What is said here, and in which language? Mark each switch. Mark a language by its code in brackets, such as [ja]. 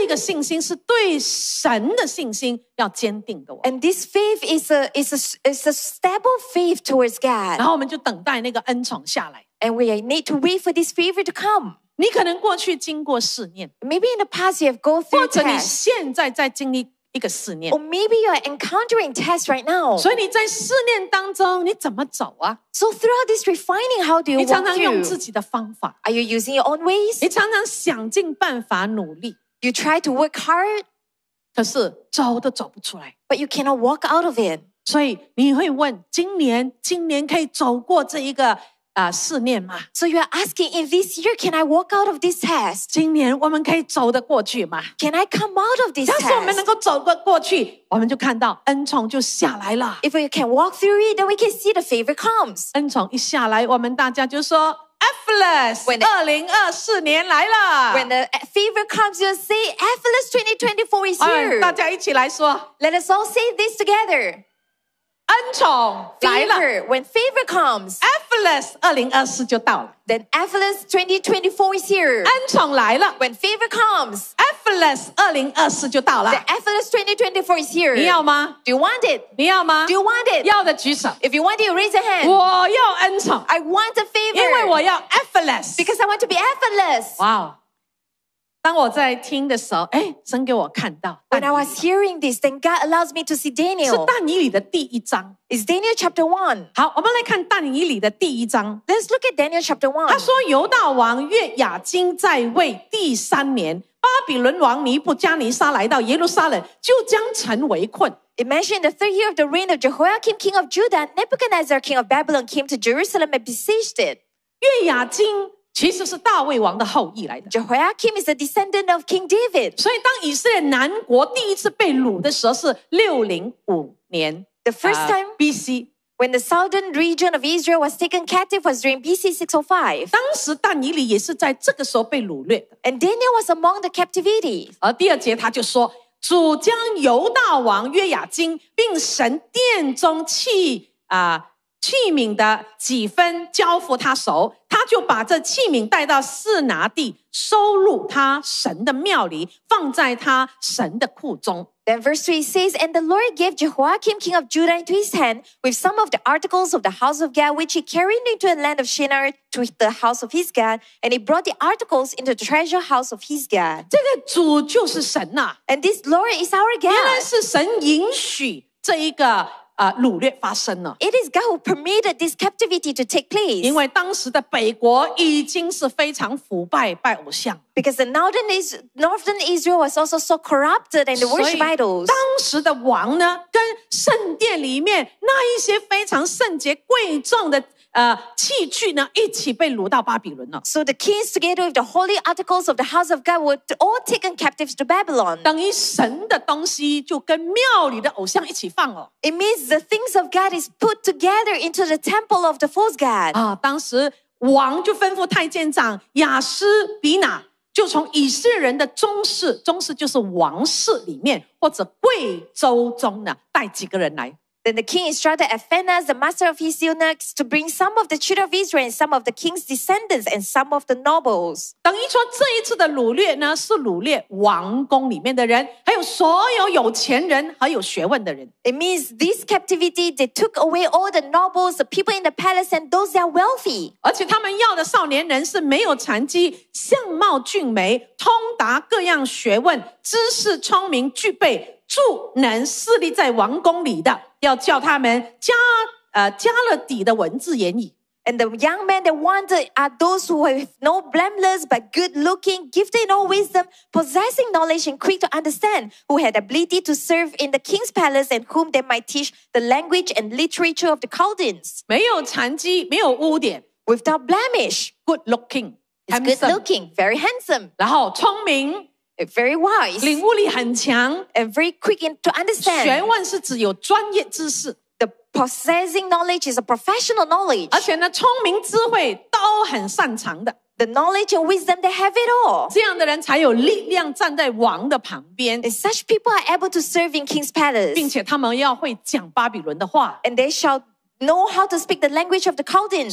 [zh] 这个信心是对神的信心要坚定的。 [en] And this faith is a stable faith towards God. [zh] 然后我们就等待那个恩宠下来。 [en] And we need to wait for this favor to come. [zh] 你可能过去经过试验。 [en] Maybe in the past you have gone through tests. [zh] 或者你现在在经历一个试验。 [en] Or maybe you are encountering tests right now. [zh] 所以你在试验当中你怎么走啊？ [en] So throughout this refining, how do you walk through? [zh] 你常常用自己的方法。 [en] Are you using your own ways? [zh] 你常常想尽办法努力。 [en] You try to work hard. [zh] 可是走都走不出来。 [en] But you cannot walk out of it. [zh] 所以你会问，今年可以走过这一个试验吗？ [en] So you are asking, in this year, can I walk out of this test? [zh] 今年我们可以走得过去吗？ [en] Can I come out of this test? [zh] 要是我们能够走得过去，我们就看到恩宠就下来了。 [en] If we can walk through it, then we can see the favor comes. [zh] 恩宠一下来，我们大家就说 Effortless, 2024年来了。 [en] When the favor comes, you'll say Effortless 2024 is here. [zh] 大家一起来说。 [en] Let us all say this together. [zh] 恩宠来了。 [en] When favor comes, [zh] effortless 2024就到了。 [en] Then effortless 2024 is here. [zh] 恩宠来了。 [en] When favor comes, [zh] effortless 2024就到了。 [en] Then effortless 2024 is here. [zh] 你要吗？ [en] Do you want it? [zh] 你要吗？ [en] Do you want it? [zh] 要的举手。 [en] If you want it, you raise your hand. [zh] 我要恩宠。 [en] I want a favor. [zh] 因为我要 effortless. [en] Because I want to be effortless. Wow. [zh] 当我在听的时候，哎，神给我看到。 [en] When I was hearing this, then God allows me to see Daniel. [zh] 是但以理的第一章。 [en] It's Daniel chapter 1. [zh] 好，我们来看但以理的第一章。 [en] Let's look at Daniel chapter 1. [zh] 他说犹大王约雅金在位第三年，巴比伦王尼布加尼撒来到耶路撒冷，就将城围困。 [en] Imagine the third year of the reign of Jehoiakim, king of Judah, Nebuchadnezzar, king of Babylon, came to Jerusalem and besieged it. [zh] 约雅金其实是大卫王的后裔来的。 [en] Jehoiakim is a descendant of King David. [zh] 所以当以色列南国第一次被掳的时候是605年。 [en] The first time BC. When the southern region of Israel was taken captive was during BC 605. [zh] 当时但以理也是在这个时候被掳掠的。 [en] And Daniel was among the captivity. [zh] 而第二节他就说，主将犹大王约雅金并神殿中器皿的几分交付他手，他就把这器皿带到示拿地，收入他神的庙里，放在他神的库中。 [en] Then verse 3 says, And the Lord gave Jehoiakim, king of Judah, into his hand with some of the articles of the house of God, which he carried into the land of Shinar to the house of his God, and he brought the articles into the treasure house of his God. [zh] 这个主就是神啊。 [en] And this Lord is our God. [zh] 原来是神允许这一个掳掠发生了。 [en] It is God who permitted this captivity to take place. [zh] 因为当时的北国已经是非常腐败，拜偶像。 [en] Because the northern Israel was also so corrupted and worship idols. [zh] 当时的王呢，跟圣殿里面那一些非常圣洁贵重的器具呢，一起被掳到巴比伦了。 [en] So the kings together with the holy articles of the house of God were all taken captives to Babylon. [zh] 等于神的东西就跟庙里的偶像一起放了。 [en] It means the things of God is put together into the temple of the false god. [zh] 啊，当时王就吩咐太监长亚斯比拿，就从以色列人的宗室就是王室里面或者贵族中呢，带几个人来。 [en] Then the king instructed Ephanas, the master of his eunuchs, to bring some of the children of Israel and some of the king's descendants and some of the nobles. [zh] 等于说这一次的掳掠呢，是掳掠王宫里面的人，还有所有有钱人和有学问的人。 [en] It means this captivity, they took away all the nobles, the people in the palace, and those that are wealthy. [zh] 而且他们要的少年人是没有残疾，相貌俊美，通达各样学问，知识聪明，具备助能势力在王宫里的，要叫他们加勒底的文字言语。 [en] And the young men, they wondered, are those who have no blameless but good looking, gifted in all wisdom, possessing knowledge and quick to understand, who had ability to serve in the king's palace and whom they might teach the language and literature of the Chaldeans. [zh] 没有残疾，没有污点, [en] without blemish, good looking, handsome, good looking, very handsome, [zh] 然后聪明, [en] very wise, [zh] 领悟力很强, [en] and very quick in, to understand. [zh] 学问是指有专业知识。 [en] Possessing knowledge is a professional knowledge. [zh] 而且呢, 聪明智慧都很擅长的, [en] the knowledge and wisdom, they have it all. [zh] 这样的人才有力量站在王的旁边, [en] and such people are able to serve in king's palace. [zh] 并且他们要会讲巴比伦的话, [en] and they shall know how to speak the language of the Chaldeans.